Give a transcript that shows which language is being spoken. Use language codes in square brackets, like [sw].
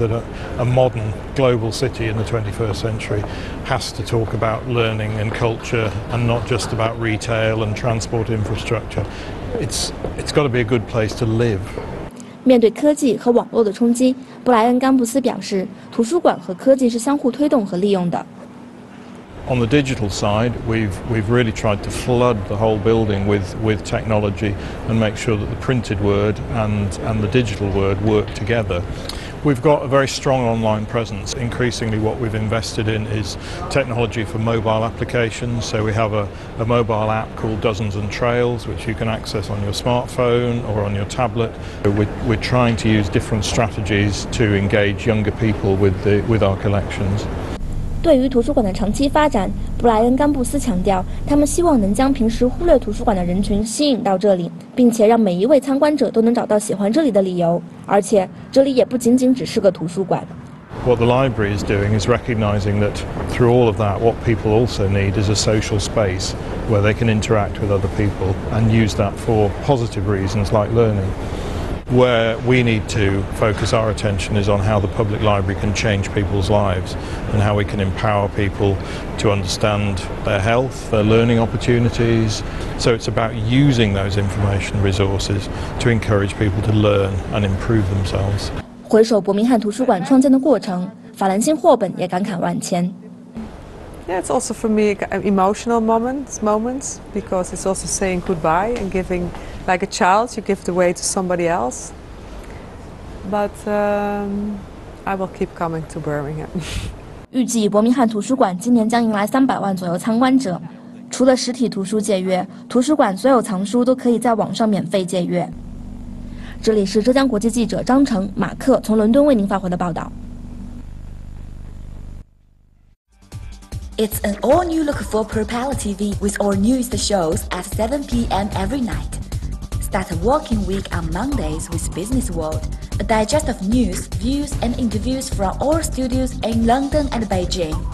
[en] That a modern global city in the 21st century has to talk about learning and culture and not just about retail and transport infrastructure. It's got to be a good place to live. [zh] 面对科技和网络的冲击，布莱恩·甘布斯表示，图书馆和科技是相互推动和利用的。 [en] On the digital side, we've really tried to flood the whole building with technology and make sure that the printed word and the digital word work together. We've got a very strong online presence. Increasingly, what we've invested in is technology for mobile applications. So we have a mobile app called Dozens and Trails, which you can access on your smartphone or on your tablet. We're trying to use different strategies to engage younger people with our collections. [zh] 对于图书馆的长期发展，布莱恩·甘布斯强调，他们希望能将平时忽略图书馆的人群吸引到这里，并且让每一位参观者都能找到喜欢这里的理由。而且，这里也不仅仅只是个图书馆。 [en] What the library is doing is recognizing that through all of that, what people also need is a social space where they can interact with other people and use that for positive reasons like learning. Where we need to focus our attention is on how the public library can change people's lives and how we can empower people to understand their health, their learning opportunities. So it's about using those information resources to encourage people to learn and improve themselves. [zh] 回首伯明翰图书馆创建的过程，法兰辛·霍本也感慨万千。 [en] Yeah, it's also for me an emotional moments because it's also saying goodbye and giving, like a child, you give the way to somebody else. But I will keep coming to Birmingham. [zh] 预计伯明翰图书馆今年将迎来300万左右参观者。除了实体图书借阅，图书馆所有藏书都可以在网上免费借阅。这里是浙江国际记者张成、马克从伦敦为您发回的报道。 [en] It's an all-new look for Propeller TV with all news shows at 7 p.m. every night. Start a working week on Mondays with Business World, a digest of news, views and interviews from all studios in London and Beijing.